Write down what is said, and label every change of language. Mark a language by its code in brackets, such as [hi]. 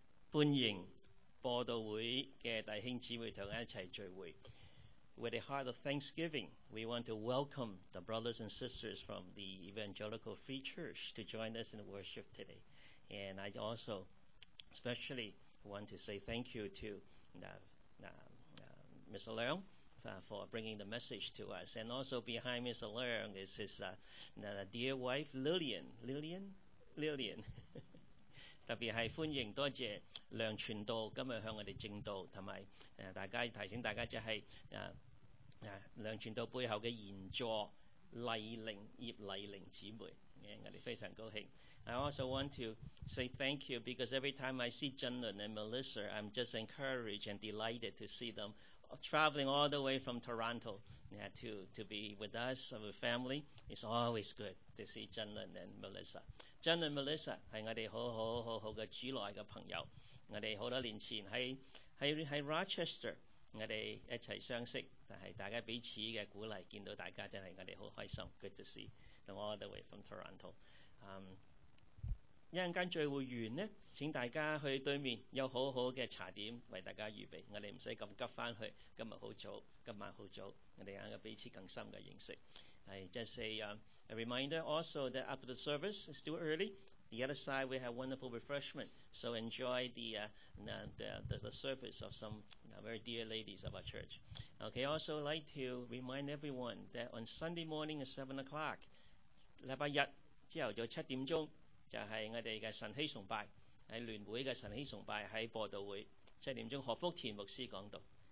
[zh] 欢迎播道会的弟兄姊妹同我一起聚会。 [en] With a heart of thanksgiving, we want to welcome the brothers and sisters from the Evangelical Free Church to join us in worship today. And I also especially want to say thank you to Mr. Leung for bringing the message to us. And also behind Mr. Leung is his dear wife Lillian. [zh] 特別是歡迎多謝梁傳道今天向我們證道，還有大家提醒大家就是梁傳道背後的賢助麗玲葉麗玲姊妹，我們非常高興。 [en] I also want to say thank you because every time I see Jun Lun and Melissa, I'm just encouraged and delighted to see them traveling all the way from Toronto to be with us, our family. It's always good to see Jun Lun and Melissa. [zh] Jun Lun Melissa 是我們很好很好的主內的朋友，我們很多年前 在 Rochester 我們一起相識，但是大家彼此的鼓勵，見到大家真的我們很開心。 [en] Good to see you all the way from Toronto。 [zh] 一會兒聚會完呢，請大家去對面有很好的茶點為大家預備，我們不用急回去，今天很早，今晚很早，我們有一個彼此更深的認識。 [en] A reminder also that after the service, it's still early. The other side, we have wonderful refreshment. So enjoy the service of some very dear ladies of our church. Okay, also like to remind everyone that on Sunday morning at 7 o'clock, [zh] 星期日之後就7點鐘就是我們的神禧崇拜，在聯會的神禧崇拜，在播道會7點鐘何福田牧師講道。